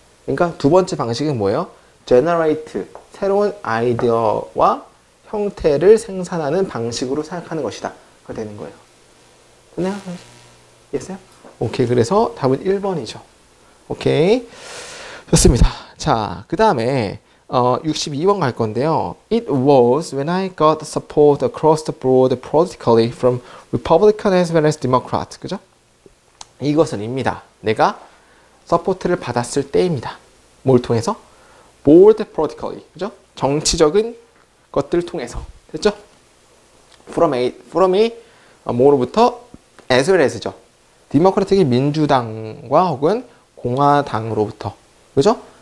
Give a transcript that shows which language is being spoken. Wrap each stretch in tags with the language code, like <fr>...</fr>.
<ko>그러니까 두 번째 방식은 뭐예요? Generate 새로운 아이디어와 형태를 생산하는 방식으로 생각하는 것이다가 되는 거예요. 됐나요? 이해했어요? 오케이 그래서 답은 1번이죠. 오케이 좋습니다. 자 그 다음에 62번 갈 건데요.</ko> <en>It was when I got support across the board politically from Republican as well as Democrat.</en> <ko>그죠? 이것은 입니다. 내가 서포트를 받았을 때입니다. 뭘 통해서? Board politically. 그죠? 정치적인 것들 통해서. 됐죠? From a more부터 as well as죠. 디모크라틱이 민주당과 혹은 공화당으로부터. 그죠?</ko>